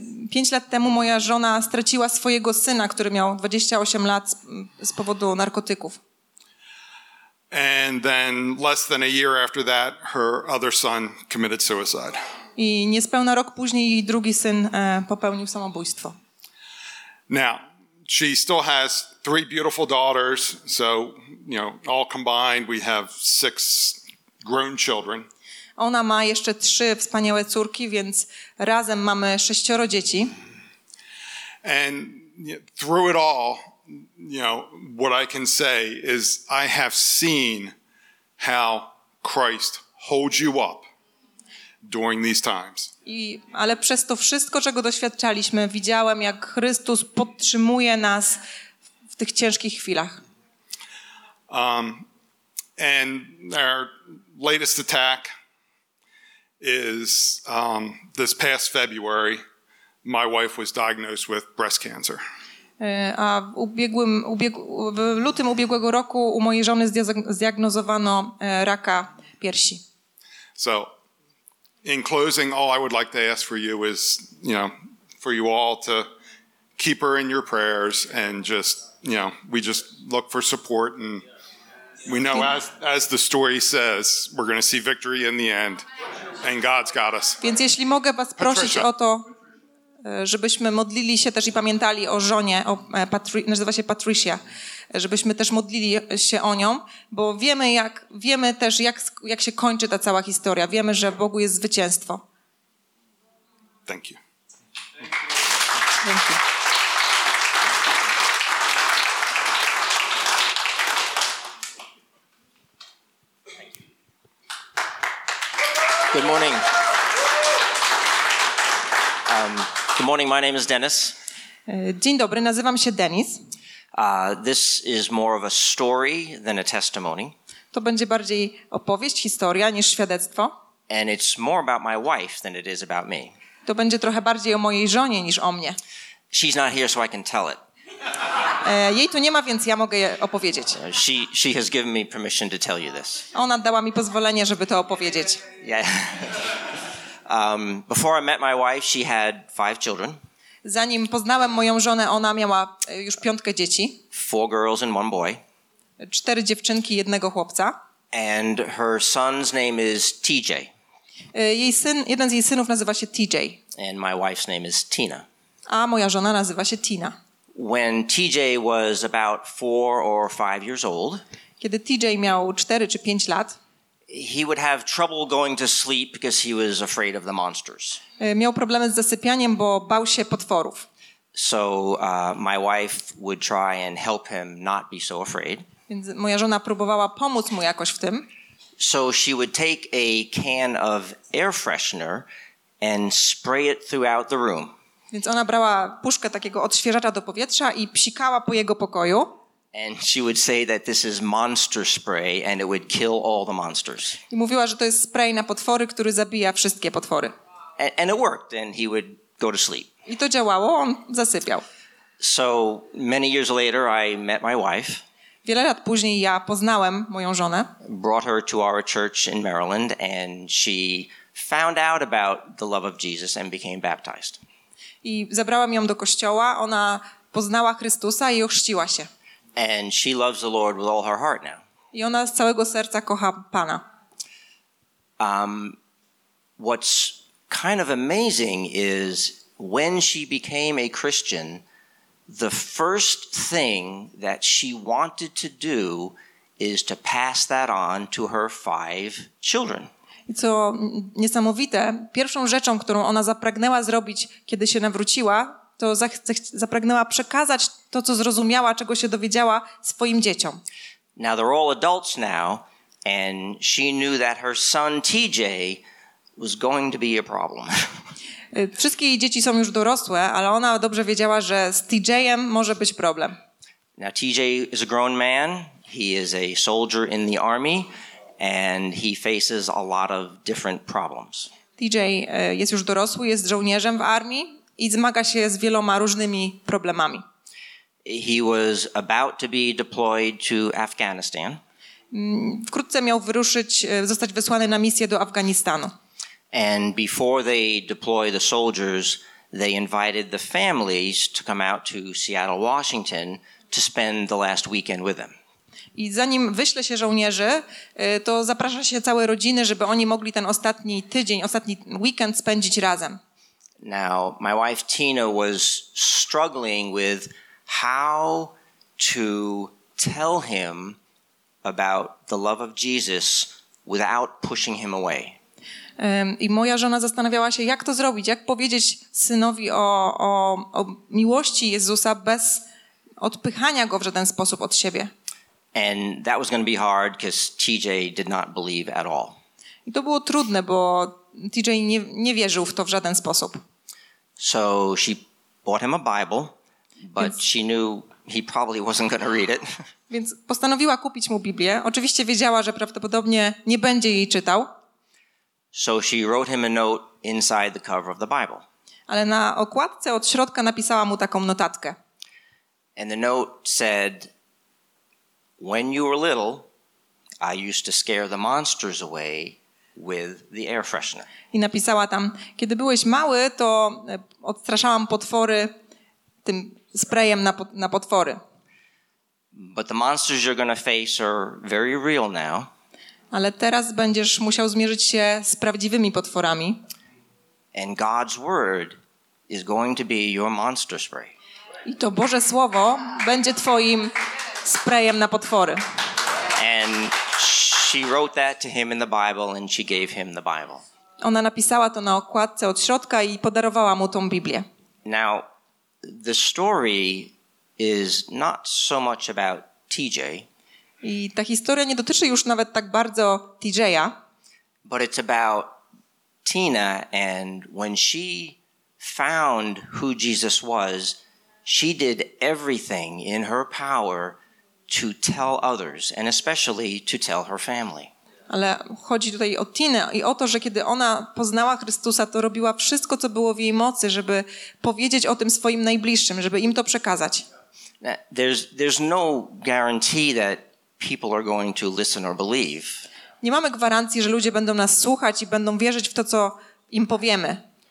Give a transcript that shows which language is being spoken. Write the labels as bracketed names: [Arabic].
[Polish] 5 lat temu moja żona straciła swojego syna, który miał 28 lat z powodu narkotyków. [English] And then less than a year after that, her other son committed suicide. [Polish] I niespełna rok później jej drugi syn popełnił samobójstwo. [English] Now, she still has 3 beautiful daughters, so, you know, all combined we have 6 grown children. [Polish] Ona ma jeszcze 3 wspaniałe córki, więc razem mamy 6 dzieci. [English] And through it all, you know, what I can say is I have seen how Christ holds you up during these times. [Polish] Ale przez to wszystko, czego doświadczaliśmy, widziałem, jak Chrystus podtrzymuje nas w tych ciężkich chwilach. [English] And our latest attack is this past February, my wife was diagnosed with breast cancer. [Polish] A w lutym ubiegłego roku u mojej żony zdiagnozowano raka piersi. [English] So, in closing, all I would like to ask for you is, you know, for you all to keep her in your prayers and just, you know, we just look for support and we know as the story says, we're going to see victory in the end and God's got us. [Polish] Więc jeśli mogę was prosić o to, żebyśmy modlili się też i pamiętali o żonie, nazywa się Patricia, żebyśmy też modlili się o nią, bo wiemy też, jak się kończy ta cała historia. Wiemy, że w Bogu jest zwycięstwo. [English] Thank you. Thank you. Good morning. Good morning. My name is Dennis. [Polish] Dzień dobry. Nazywam się Dennis. [English] This is more of a story than a testimony. [Polish] To będzie bardziej opowieść, historia niż świadectwo. [English] And it's more about my wife than it is about me. [Polish] To będzie trochę bardziej o mojej żonie niż o mnie. [English] She's not here, so I can tell it. [Polish] Jej tu nie ma, więc ja mogę je opowiedzieć. [English] She has given me permission to tell you this. [Polish] Ona dała mi pozwolenie, żeby to opowiedzieć. [English] Yeah. Before I met my wife, she had 5 children. [Polish] Zanim poznałem moją żonę, ona miała już 5 dzieci. [English] 4 girls and 1 boy. [Polish] 4 dziewczynki, 1 chłopca. [English] And her son's name is TJ. [Polish] Jeden z jej synów nazywa się TJ. [English] And my wife's name is Tina. [Polish] A moja żona nazywa się Tina. [English] When TJ was about 4 or 5 years old. [Polish] Kiedy TJ miał 4 czy 5 lat. [English] He would have trouble going to sleep because he was afraid of the monsters. [Polish] Miał problemy z zasypianiem, bo bał się potworów. [English] So my wife would try and help him not be so afraid. [Polish] Więc moja żona próbowała pomóc mu jakoś w tym. [English] So she would take a can of air freshener and spray it throughout the room. [Polish] Więc ona brała puszkę takiego odświeżacza do powietrza i psikała po jego pokoju. [English] And she would say that this is monster spray and it would kill all the monsters. [Polish] I mówiła, że to jest spray na potwory, który zabija wszystkie potwory. [English] And it worked and he would go to sleep. [Polish] I to działało, on zasypiał. [English] So many years later I met my wife. [Polish] Wiele lat później ja poznałem moją żonę. [English] Brought her to our church in Maryland and she found out about the love of Jesus and became baptized. [Polish] I zabrałem ją do kościoła, ona poznała Chrystusa i ochrzciła się. [English] And she loves the Lord with all her heart now. [Polish] I ona z całego serca kocha Pana. [English] What's kind of amazing is when she became a Christian, the first thing that she wanted to do is to pass that on to her five children. [Polish] I co niesamowite, pierwszą rzeczą, którą ona zapragnęła zrobić, kiedy się nawróciła, to zapragnęła przekazać to, co zrozumiała, czego się dowiedziała, swoim dzieciom. [English] Now they're all adults now, and she knew that her son TJ was going to be a problem. [Polish] Wszystkie jej dzieci są już dorosłe, ale ona dobrze wiedziała, że z TJ-em może być problem. [English] Now TJ is a grown man. He is a soldier in the army, and he faces a lot of different problems. [Polish] TJ jest już dorosły, jest żołnierzem w armii i zmaga się z wieloma różnymi problemami. [English] He was about to be deployed to Afghanistan. [Polish] Wkrótce miał wyruszyć, zostać wysłany na misję do Afganistanu. [English] And before they deploy the soldiers, they invited the families to come out to Seattle, Washington to spend the last weekend with them. [Polish] I zanim wyśle się żołnierzy, to zaprasza się całe rodziny, żeby oni mogli ten ostatni tydzień, ostatni weekend spędzić razem. [English] Now, my wife Tina was struggling with how to tell him about the love of Jesus without pushing him away. [Polish] I moja żona zastanawiała się, jak to zrobić, jak powiedzieć synowi o miłości Jezusa bez odpychania go w żaden sposób od siebie. [English] And that was going to be hard because TJ did not believe at all. [Polish] I to było trudne, bo TJ nie wierzył w to w żaden sposób. [English] So she bought him a Bible, but she knew he probably wasn't going to read it. [Polish] Więc postanowiła kupić mu Biblię. Oczywiście wiedziała, że prawdopodobnie nie będzie jej czytał. [English] So she wrote him a note inside the cover of the Bible. [Polish] Ale na okładce od środka napisała mu taką notatkę. [English] And the note said, "When you were little, I used to scare the monsters away with the air freshener." [Polish] I napisała tam, kiedy byłeś mały, to odstraszałam potwory tym sprayem na potwory. [English] But the monsters you're going to face are very real now. [Polish] Ale teraz będziesz musiał zmierzyć się z prawdziwymi potworami. [English] And God's word is going to be your monster spray. [Polish] I to Boże słowo będzie twoim sprayem na potwory. [English] And she wrote that to him in the Bible and she gave him the Bible. [Polish] Ona napisała to na okładce od środka i podarowała mu tą Biblię. [English] Now the story is not so much about TJ. [Polish] I ta historia nie dotyczy już nawet tak bardzo TJ-a. [English] But it's about Tina, and when she found who Jesus was, she did everything in her power to tell others, and especially to tell her family. [Polish] Ale chodzi tutaj o Tinę i o to, że kiedy ona poznała Chrystusa, to robiła wszystko, co było w jej mocy, żeby powiedzieć o tym swoim najbliższym, żeby im to przekazać. [English] Now, there's no guarantee that people are going to listen or believe. [Polish] Nie mamy gwarancji, że ludzie będą nas słuchać i będą wierzyć w to, co im powiemy.